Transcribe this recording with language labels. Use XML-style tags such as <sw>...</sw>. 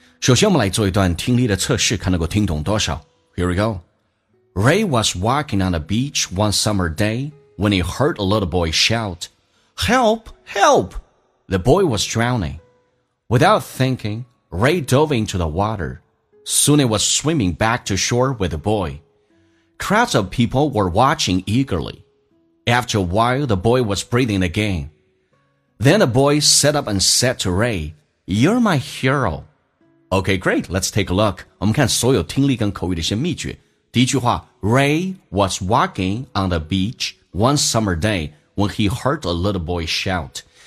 <zh>首先我们来做一段听力的测试，看能够听懂多少。</zh> <en>Here we go. Ray was walking on the beach one summer day when he heard a little boy shout, Help! Help! The boy was drowning. Without thinking, Ray dove into the water. Soon he was swimming back to shore with the boy. Crowds of people were watching eagerly. After a while, the boy was breathing again. Then the boy sat up and said to Ray, You're my hero. Okay, great, let's take a look.</en> <zh>我们看所有听力跟口语的一些秘诀。第一句话，</zh> <en>Ray was walking on the beach one summer day when he heard a little boy shout.</en>